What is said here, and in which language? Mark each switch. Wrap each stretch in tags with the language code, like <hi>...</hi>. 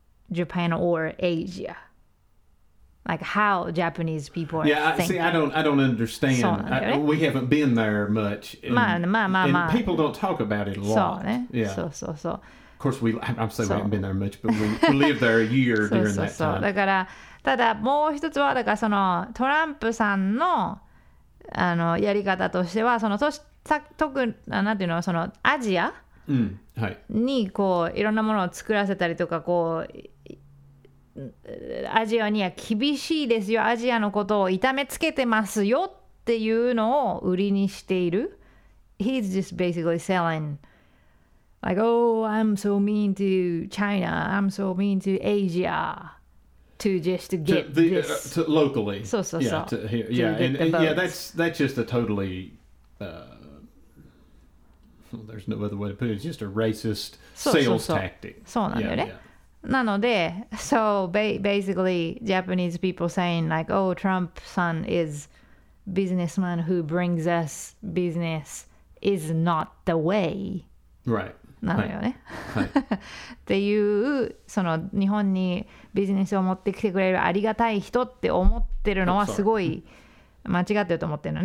<en>Japan or Asia? Like how Japanese people are thinking. Yeah, see, I don't understand. We haven't been there much. And people don't talk about it a lot. Yeah. So. Of course, we haven't been there much, but we lived there a year during that time.</en> <ja>だから、ただもう一つは、だからそのトランプさんの、あのやり方としては、その特なんていうの、そのアジアにこういろんなものを作らせたりとか、こうアジアには厳しいですよ、アジアのことを痛めつけてますよっていうのを売りにしている。</ja> <en>He's just basically selling, like, oh, I'm so mean to China, I'm so mean to Asia, to just get to this. To locally. So. Yeah, that's just a totally, there's no other way to put it, it's just a racist sales tactic.</en> <ja>そうなんだよね。</ja> <en>なので、so basically Japanese people saying like, oh, Trump-san is businessman who brings us business is not the way. Right.</en> <ja>なのよね。はい、っていう、その日本にビジネスを持ってきてくれるありがたい人って思ってるのはすごい間違ってると思ってるの。</ja>